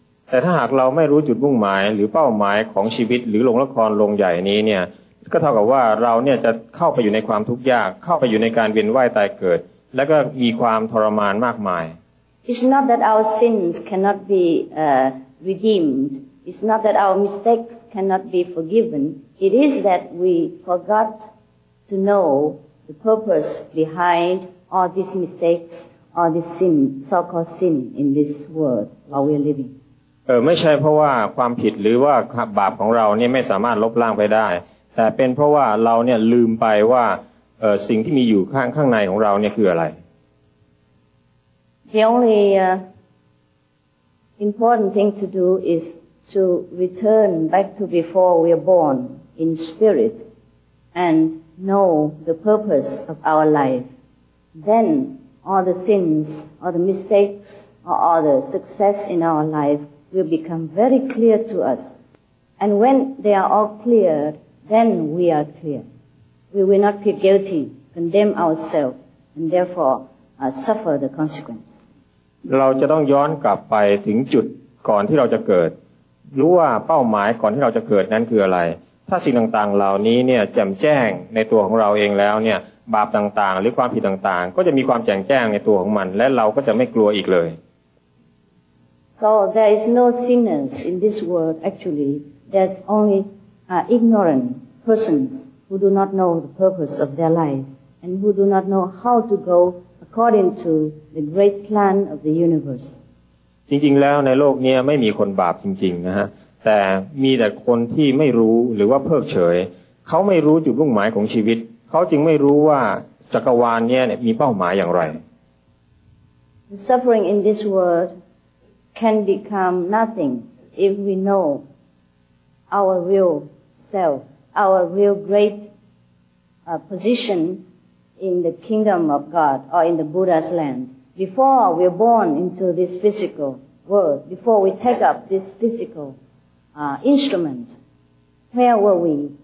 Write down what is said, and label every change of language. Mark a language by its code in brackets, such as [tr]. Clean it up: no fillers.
[th] แต่ถ้าหากเราไม่รู้จุดมุ่งหมายหรือเป้าหมายของชีวิตหรือโรงละครโรงใหญ่นี้เนี่ยก็เท่ากับว่าเราเนี่ยจะเข้าไปอยู่ในความทุกข์ยากเข้าไปอยู่ในการเวียนว่ายตายเกิดแล้วก็มีความทรมานมากมาย [en] It's not that our sins cannot be redeemed. It's not that our mistakes cannot be forgiven. It is that we forgot to know the purpose behind all these mistakes, all this sin, so-called sin in this world while we're living. [th] ไม่ใช่เพราะว่าความผิดหรือว่าบาปของเราเนี่ยไม่สามารถลบล้างไปได้แต่เป็นเพราะว่าเราเนี่ยลืมไปว่าสิ่งที่มีอยู่ข้างในของเราเนี่ยคืออะไร [en] The only important thing to do isTo return back to before we are born in spirit and know the purpose of our life, then all the sins, all the mistakes, or all the success in our life will become very clear to us. And when they are all clear, then we are clear. We will not feel guilty, condemn ourselves, and therefore suffer the consequence. [th] เราจะต้องย้อนกลับไปถึงจุดก่อนที่เราจะเกิดรู้ว่าเป้าหมายก่อนที่เราจะเกิดนั้นคืออะไรถ้าสิ่งต่างๆเหล่านี้เนี่ยแจ่มแจ้งในตัวของเราเองแล้วเนี่ยบาปต่างๆหรือความผิดต่างๆก็จะมีความแจ่มแจ้งในตัวของมันและเราก็จะไม่กลัวอีกเลย [en] So there is no sinners in this world actually there's only ignorant persons who do not know the purpose of their life and who do not know how to go according to the great plan of the universe [th] จริงๆแล้วในโลกนี้ไม่มีคนบาปจริงๆนะฮะแต่มีแต่คนที่ไม่รู้หรือว่าเพิกเฉยเขาไม่รู้จุดมุ่งหมายของชีวิตเขาจึงไม่รู้ว่าจักรวาลนี้มีเป้าหมายอย่างไร [en] The suffering in this world can become nothing if we know our real self our real great position in the kingdom of God or in the Buddha's landBefore we are born into this physical world, before we take up this physical instrument, where were we?